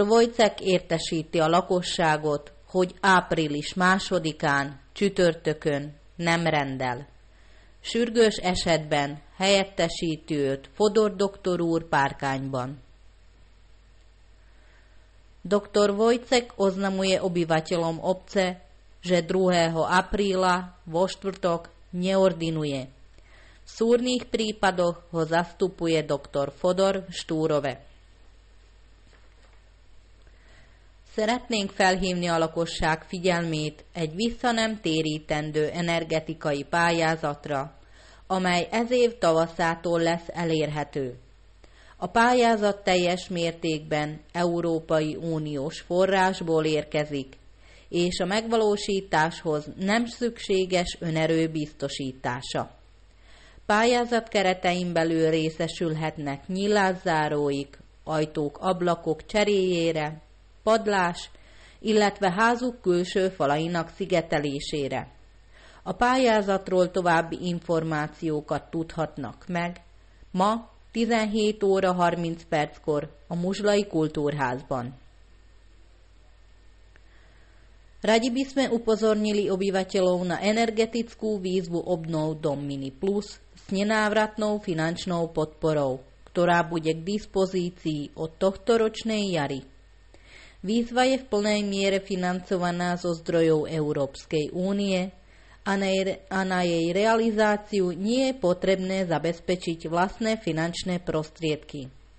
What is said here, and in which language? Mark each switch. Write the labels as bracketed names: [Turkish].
[Hungarian] Wojcek értesíti a lakosságot, hogy április 2-án, csütörtökön nem rendel. Sürgős esetben helyettesíti őt Fodor doktor úr Párkányban. [Slovak] Dr. Wojcek oznamuje obyvateľom obce, že 2. apríla vo štvrtok neordinuje. V súrnych prípadoch ho zastupuje doktor Fodor v Štúrove. [Hungarian] Szeretnénk felhívni a lakosság figyelmét egy vissza nem térítendő energetikai pályázatra, amely ez év tavaszától lesz elérhető. A pályázat teljes mértékben Európai Uniós forrásból érkezik, és a megvalósításhoz nem szükséges önerő biztosítása. Pályázat keretein belül részesülhetnek nyílászáróik, ajtók, ablakok cseréjére, padlás, illetve házuk külső falainak szigetelésére. A pályázatról további információkat tudhatnak meg ma 17 óra 30 perckor a Muzslai Kultúrházban. [Slovak] Radi by sme upozornili obyvateľov na energetickú výzvu obnov Dom Mini Plus s nenávratnou finančnou podporou, ktorá bude k dispozícii od tohto ročnej jary. Výzva je v plnej miere financovaná zo zdrojov Európskej únie a na jej realizáciu nie je potrebné zabezpečiť vlastné finančné prostriedky.